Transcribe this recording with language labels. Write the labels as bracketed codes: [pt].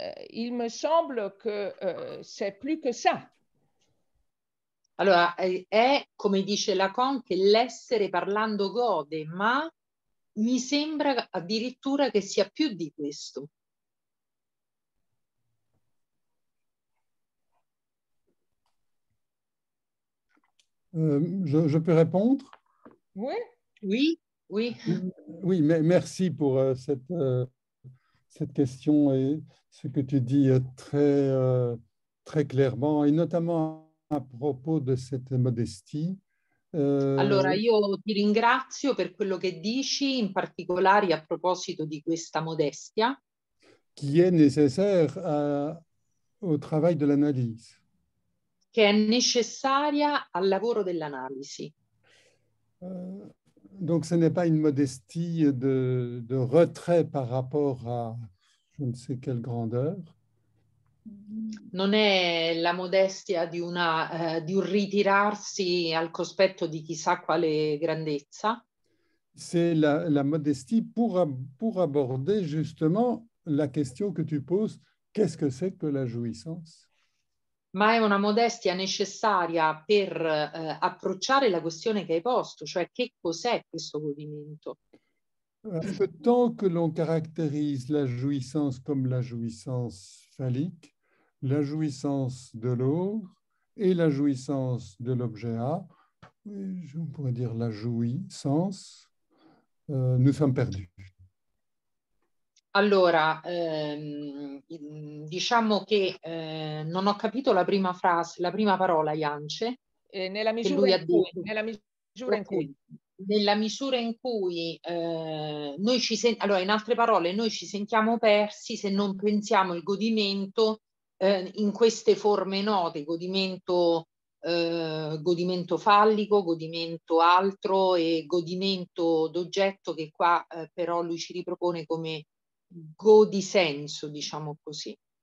[fr] il me semble que c'est plus que ça. [it] Allora, è come dice Lacan che l'essere parlando gode, ma mi sembra addirittura che sia più di questo. [fr] Je peux répondre? Oui, oui, oui. Oui, merci pour cette question et ce que tu dis très, très clairement, et notamment à propos de cette modestie. [it] Allora, io ti ringrazio per quello che dici, in particolare a proposito di questa modestia. [fr] Qui est nécessaire au travail de l'analyse. [it] Che è necessaria al lavoro dell'analisi. [fr] Donc, ce n'est pas une modestie de retrait par rapport à... Je ne sais quelle grandeur. [it] Non è la modestia di di un ritirarsi al cospetto di chissà quale grandezza. [fr] C'est la modestie pour aborder justement la question che tu poses, qu'est-ce que c'est que la jouissance? [it] Ma è una modestia necessaria per approcciare la questione che hai posto, cioè che cos'è questo godimento? [fr] Tant que l'on caractérise la jouissance comme la jouissance phallique, la jouissance de l'or et la jouissance de l'objet A, je pourrais dire la jouissance, nous sommes perdus. [it] Allora, diciamo che non ho capito la prima frase, la prima parola, Jance. Nella misura in cui, nella misura in cui. Nella misura in cui noi ci sentiamo, allora in altre parole, noi ci sentiamo persi se non pensiamo il godimento in queste forme note, godimento, godimento fallico, godimento altro e godimento d'oggetto che qua però lui ci ripropone come godisenso, diciamo così.